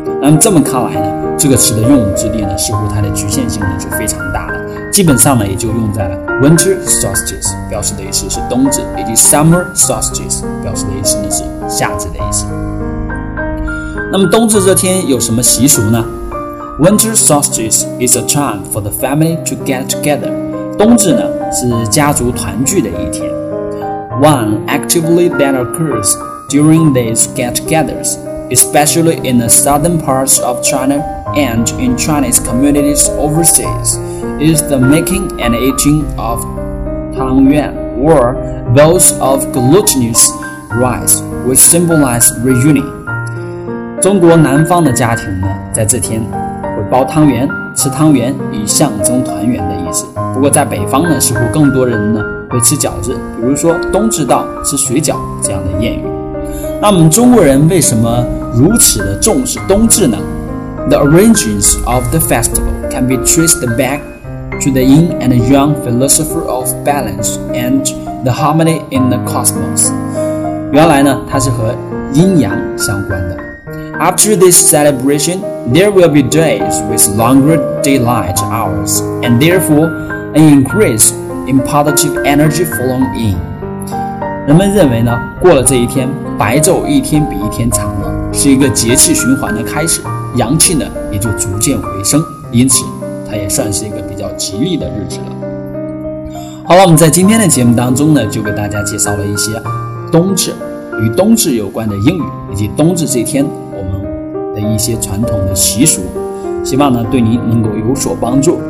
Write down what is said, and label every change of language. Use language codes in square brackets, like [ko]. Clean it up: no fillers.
[zh] 那么这么看来呢，这个词的用武之地呢似乎它的局限性呢是非常大的，基本上呢也就用在了 winter sausages 表示的意思是冬至，以及 summer sausages 表示的意思呢是夏至的意思。那么冬至这天有什么习俗呢？ [en] Winter solstice is a time for the family to get together. [zh] 冬至呢是家族团聚的一天。 [en] One activity that occurs during these get-togethers, especially in the southern parts of China and in Chinese communities overseas, is the making and eating of Tang Yuan or bowls of glutinous rice, which symbolize reunion. [zh] 中国南方的家庭呢，在这天会包汤圆、吃汤圆，以象征团圆的意思。不过在北方呢，似乎更多人呢会吃饺子，比如说冬至到吃水饺这样的谚语。那我们中国人为什么如此的重视冬至呢？ [en] The origins of the festival can be traced back to the yin and yang philosophy of balance and the harmony in the cosmos. [zh] 原来呢，它是和阴阳相关的。 [en] After this celebration, there will be days with longer daylight hours, and therefore an increase in positive energy flowing in. [zh] 人们认为呢，过了这一天，白昼一天比一天长了，是一个节气循环的开始，阳气呢也就逐渐回升，因此它也算是一个比较吉利的日子了。好了，我们在今天的节目当中呢，就给大家介绍了一些冬至与冬至有关的英语，以及冬至这天的一些传统的习俗，希望呢对您能够有所帮助。